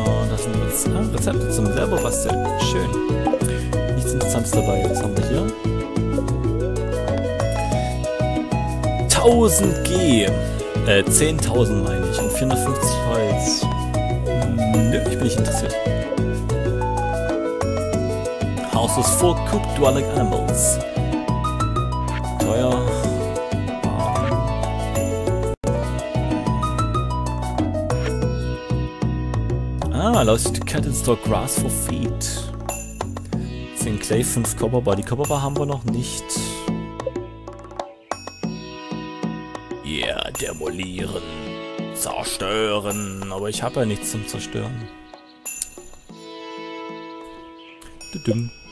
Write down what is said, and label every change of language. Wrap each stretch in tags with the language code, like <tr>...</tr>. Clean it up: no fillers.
<de>Das sind Rezepte zum selber basteln. Schön. Nichts Interessantes dabei. Was haben wir hier? 1000G. 10.000 meine ich. Und 450 Holz. Nö, ich bin nicht interessiert.</de> <en>Houses for cooked dwelling animals.</en> <de>Teuer.</de> <en>Ah, allows you to cut and store grass for feed. 10 Clay, 5 Copper Bar.</en> <de>Die Copper Bar haben wir noch nicht. Yeah, demolieren. Zerstören. Aber ich habe ja nichts zum Zerstören. Düdüm.</de>